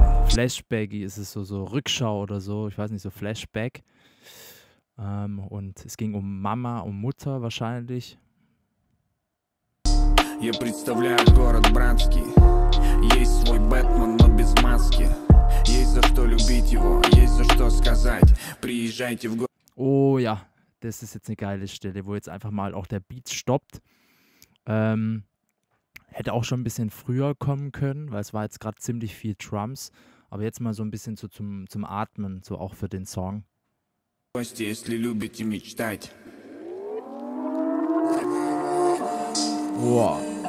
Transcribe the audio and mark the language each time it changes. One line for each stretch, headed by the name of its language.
German: Flashback ist es so Rückschau oder so, ich weiß nicht, so Flashback. Und es ging um Mama, um Mutter wahrscheinlich.
Russian: Я представляю город братский. Есть свой Бэтмен, но без маски. Есть за что любить его, есть за что сказать. Приезжайте в город.
German: Oh ja, das ist jetzt eine geile Stelle, wo jetzt einfach mal auch der Beat stoppt. Hätte auch schon ein bisschen früher kommen können, weil es war jetzt gerade ziemlich viel Drums. Aber jetzt mal so ein bisschen so zum Atmen, so auch für den Song. Wow.